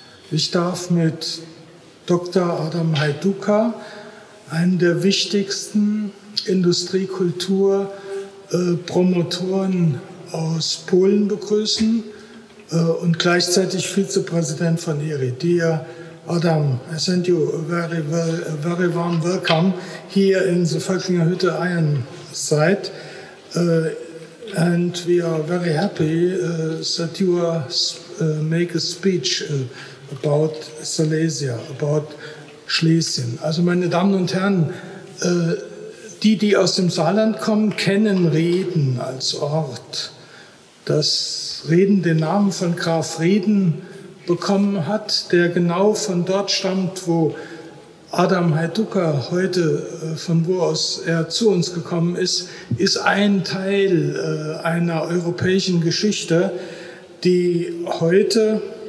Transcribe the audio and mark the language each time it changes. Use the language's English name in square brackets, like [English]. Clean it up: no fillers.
[German] Ich darf mit Dr. Adam Hajduga, einem der wichtigsten Industriekultur-Promotoren aus Polen, begrüßen und gleichzeitig Vizepräsident von IRID. [English] Adam, I send you a very warm welcome here in the Völklinger Hütte Iron Site. And we are very happy that you make a speech about Silesia, about Schlesien. [German] Also meine Damen und Herren, die, die aus dem Saarland kommen, kennen Rieden als Ort. Dass Rieden den Namen von Graf Rieden bekommen hat, der genau von dort stammt, wo Adam Hajduga heute, von wo aus er zu uns gekommen ist, ist ein Teil einer europäischen Geschichte, die heute